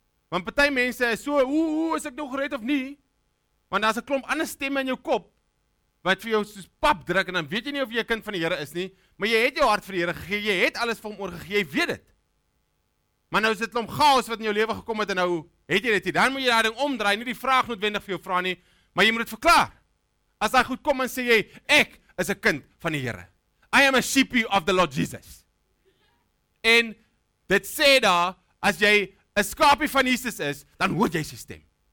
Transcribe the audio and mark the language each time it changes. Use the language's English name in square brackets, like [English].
[Afrikaans] Want party mense is so, hoe is ek nou gered of nie? Want daar's 'n klomp ander stemme in jou kop wat vir jou soos pap druk en dan weet jy nie of jy 'n kind van die Here is nie, maar jy het jou hart vir die Here gegee, jy het alles vir hom oorgegee, jy weet dit. Maar nou is dit 'n klomp chaos wat in jou lewe gekom het en nou het jy dit hier. Dan moet jy daai ding omdraai, nie die vraag noodwendig vir jou vra nie, maar jy moet dit verklaar. As hy goed kom en sê jy, ek is 'n kind van die Here. [English] I am a sheep of the Lord Jesus. [Afrikaans] En dit sê daar, as jy 'n skaapie van Jesus is, dan hoor jy sy stem.